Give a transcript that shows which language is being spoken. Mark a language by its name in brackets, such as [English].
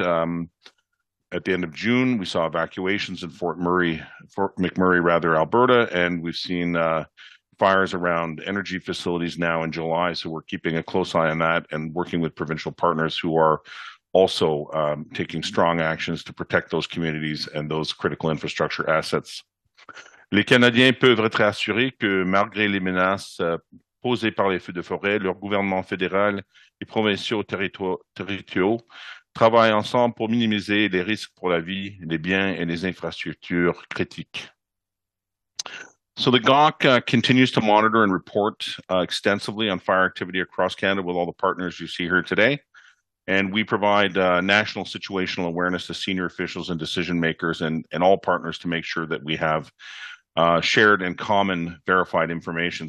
[English] At the end of June, we saw evacuations in Fort McMurray, Alberta, and we've seen fires around energy facilities now in July. So we're keeping a close eye on that and working with provincial partners who are also taking strong actions to protect those communities and those critical infrastructure assets. [French] Les Canadiens peuvent être assurés que malgré les menaces posées par les feux de forêt, leur gouvernement fédéral et provinciaux territoriaux travaillent ensemble pour minimiser les risques pour la vie, les biens et les infrastructures critiques. [English] So the GOC continues to monitor and report extensively on fire activity across Canada with all the partners you see here today. And we provide national situational awareness to senior officials and decision makers and all partners to make sure that we have shared and common verified information.